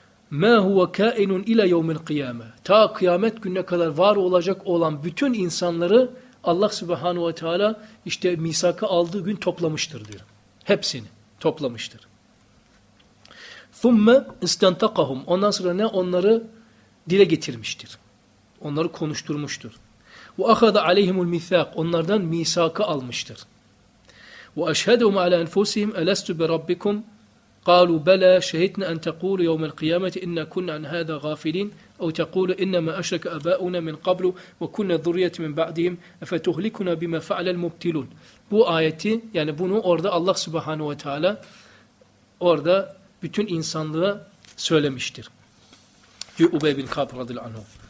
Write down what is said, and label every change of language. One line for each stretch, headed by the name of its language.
Arabic: Ma huwa ka'inun ila yevmil kıyame.
Turkish: Ta kıyamet gününe kadar var olacak olan bütün insanları Allah Subhanahu ve Teala işte misakı aldığı gün toplamıştır diyor. Hepsini toplamıştır.
Arabic: ثُمَّ اِسْتَنْتَقَهُمْ
Turkish: Ondan sonra ne? Onları dile getirmiştir. Onları konuşturmuştur.
Arabic: وَأَخَذَ عَلَيْهِمُ الْمِثَاقِ
Turkish: Onlardan misakı almıştır.
Arabic: وَأَشْهَدُهُمْ عَلَى اَنْفُسِهِمْ أَلَسْتُ بِرَبِّكُمْ قَالُوا بَلَى شَهِدْنَا اَنْ تَقُولُ يَوْمَ الْقِيَامَةِ اِنَّا كُنَّ عَنْ هَذَا غَافِلِينَ أو تقول إنما أشرك أباؤنا من قبل وكنا ذرية من بعدهم فتهلكنا بما فعل المبتلون.
Turkish: Bu ayeti, yani bunu orada Allah Subhanahu ve Teala orada bütün insanlığa söylemiştir. Diyor Ubey bin Ka'b radıyallahu anhu.